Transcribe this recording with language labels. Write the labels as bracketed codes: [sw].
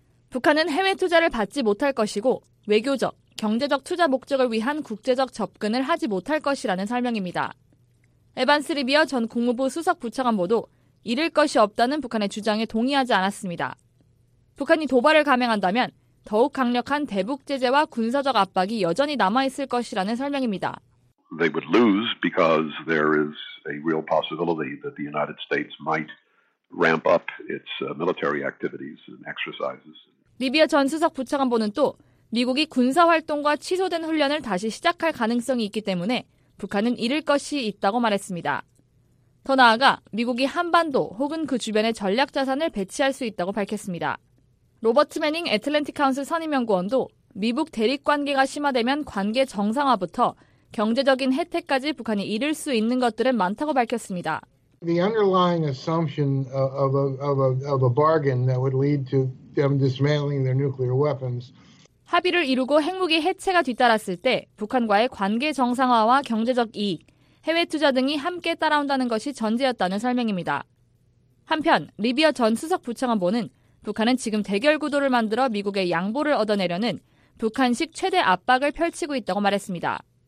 [ko] 북한은 해외 투자를 받지 못할 것이고 외교적, 경제적 투자 목적을 위한 국제적 접근을 하지 못할 것이라는 설명입니다. 에반스 리비어 전 국무부 수석 부차관보도 잃을 것이 없다는 북한의 주장에 동의하지 않았습니다. 북한이 도발을 감행한다면 더욱 강력한 대북 제재와 군사적 압박이 여전히 남아있을 것이라는 설명입니다. [en] They would lose because there is a real possibility that the United States might ramp up its military activities and exercises. [ko] 리비아 전 수석 부차관보는 또 미국이 군사 활동과 취소된 훈련을 다시 시작할 가능성이 있기 때문에 북한은 잃을 것이 있다고 말했습니다. 더 나아가 미국이 한반도 혹은 그 주변에 전략 자산을 배치할 수 있다고 밝혔습니다. 로버트 매닝 애틀랜틱 카운슬 선임연구원도 미북 대립관계가 심화되면 관계 정상화부터 경제적인 혜택까지 북한이 잃을 수 있는 것들은 많다고 밝혔습니다. [en] The underlying assumption of a bargain that would lead to them dismantling their nuclear weapons. [ko] 합의를 이루고 핵무기 해체가 뒤따랐을 때 북한과의 관계 정상화와 경제적 이익, 해외 투자 등이 함께 따라온다는 것이 전제였다는 설명입니다. 한편 리비아 전 수석 부차관보는 북한은 지금 대결 구도를 만들어 미국의 양보를 얻어내려는 북한식 최대 압박을 펼치고 있다고 말했습니다.